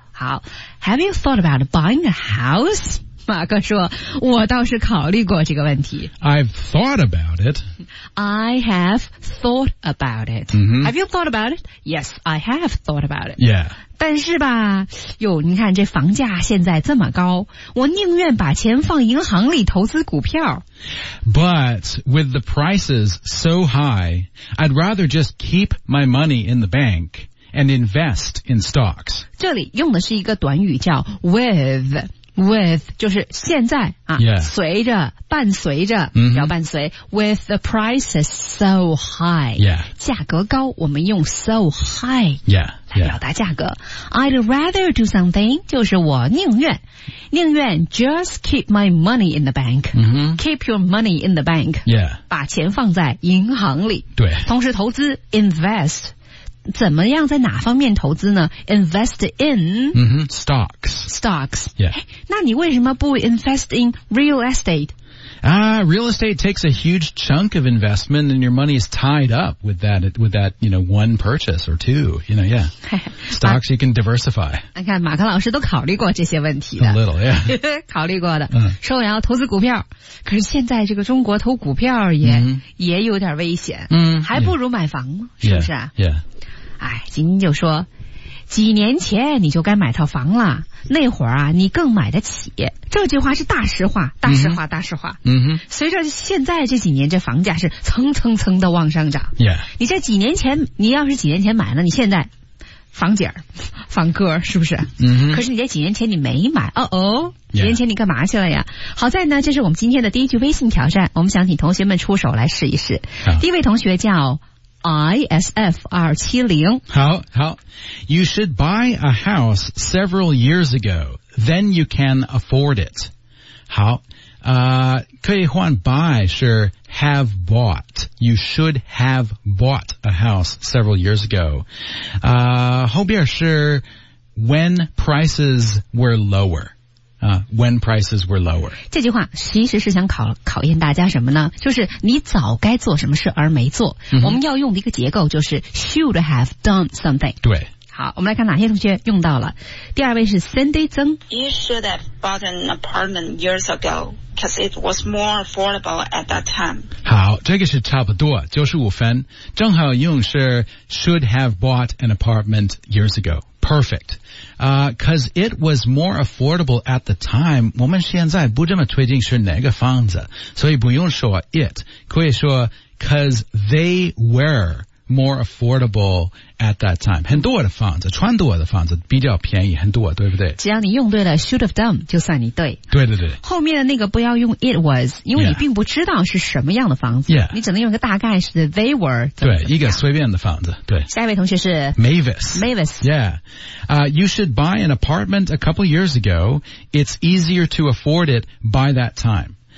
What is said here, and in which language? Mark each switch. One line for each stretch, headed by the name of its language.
English: 好 ,Have you thought about buying a house?
Chinese: 马哥说，我倒是考虑过这个问题。
English: I've thought about it. I have thought about it.、 Mm-hmm. Have you thought about it? Yes, I have thought about it. Yeah.
Chinese: 但是吧，哟，你看这房价现在这么高，我宁愿把钱放银行里投资股票。
English: But with the prices so high, I'd rather just keep my money in the bank and invest in stocks.
Chinese: 这里用的是一个短语叫 with. With 就是现在啊、
English: yeah.
Chinese: 随着伴随着、 mm-hmm. 要伴随
English: With the prices so high、 yeah.
Chinese: 价格高我们用
English: so high、 yeah.
Chinese: 来表达价格、
English: yeah. I'd rather do something
Chinese: 就是我宁愿
English: just keep my money in the bank、 mm-hmm. keep your money in the bank、 yeah.
Chinese: 把钱放在银行里对同时投资 invest怎么样在哪方面投资呢 ?
English: invest in、 mm-hmm. stocks. Stocks.、 Yeah.
Chinese: 那你为什么不
English: invest in real estate? Real estate takes a huge chunk of investment and your money is tied up with that, you know, one purchase or two, you know, yeah. Stocks, you can diversify.
Chinese: 你看马克老师都考虑过这些问题的。
English: A little, yeah.
Chinese: 考虑过的。说我要投资股票。可是现在这个中国投股票也、 mm-hmm. 也有点危险。嗯、mm-hmm.。还不如买房吗、
English: yeah.
Chinese: 是不是啊
English: ?Yeah.
Chinese: 哎，晶晶就说，几年前你就该买套房了，那会儿啊，你更买得起。这句话是大实话，大实话，大实话。嗯哼。随着现在这几年，这房价是蹭蹭蹭的往上涨。
English: Yeah.
Chinese: 你这几年前，你要是几年前买了，你现在房姐儿、房哥儿是不是？嗯哼。可是你这几年前你没买，哦哦。几年前你干嘛去了呀、
English: yeah.
Chinese: 好在呢这是我们今天的第一句微信挑战，我们想请同学们出手来试一试。第一位同学叫ISF270
English: 好 You should buy a house several years ago Then you can afford it
Chinese: 好、可以换
English: buy 是 have bought You should have bought a house several years ago、
Chinese: 后边是
English: when prices were lower when prices were lower.
Chinese: 这句话其实是想考验大家什么呢？就是你早该做什么事而没做。 Mm-hmm. 我们要用的一个结构就是
English: should have done something。
Chinese: 对。好，我们来看哪些同学用到了。第二位是 Cindy Zeng。
English: You should have bought an apartment years ago because it was more affordable at that time.
Chinese: 好，这个是差不多，95分，正好用是
English: should have bought an apartment years ago. Perfect. Because it was more affordable at the time.
Chinese: 我们现在不这么推定是哪个房子，所以不用说 it， 可以说
English: because they were. More affordable at that time.
Chinese: 很多的房子，穿多的房子比较便宜，很多，对不对？只要你用对了
English: should have done，
Chinese: 就算你对。对对对。后面的那个不要用
English: it was，
Chinese: 因为你并不知道是什么样的房子，
English: yeah.
Chinese: 你只能用一个大概是
English: they were
Chinese: 怎么怎么。对，一个随便的房子。对。下一位同学是 Mavis。 Mavis。
English: Yeah. You should buy an apartment a couple years ago. It's easier to afford it by that time.